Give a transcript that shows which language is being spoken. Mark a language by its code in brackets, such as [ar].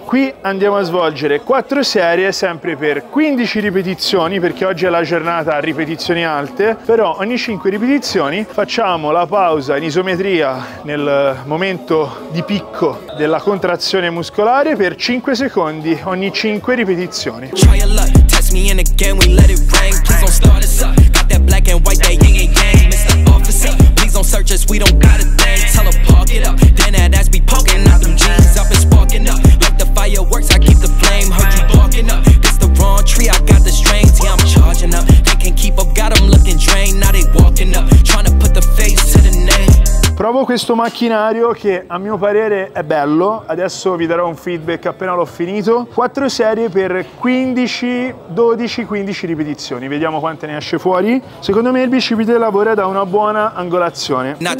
[it] Qui andiamo a svolgere 4 serie, sempre per 15 ripetizioni, perché oggi è la giornata a ripetizioni alte, però ogni 5 ripetizioni facciamo la pausa in isometria nel momento di picco della contrazione muscolare per 5 secondi ogni 5 ripetizioni. [en] Try your luck, test me in again, we let it rain, please don't start us up. That black and white, that yin and yang. Mr. Officer, please don't search us, we don't got a thing. Tell her park it up, then that ass be poking out them jeans. I've been sparking up, like the fireworks, I keep the flame. Heard you barking up, this the wrong tree, I got the strength. Yeah, I'm charging up, they can't keep up, got them looking drained. Now they walking up, trying to put the face to the name. [it] Provo questo macchinario che a mio parere è bello, adesso vi darò un feedback appena l'ho finito. 4 serie per 15, 12, 15 ripetizioni, vediamo quante ne esce fuori. Secondo me il bicipite lavora da una buona angolazione.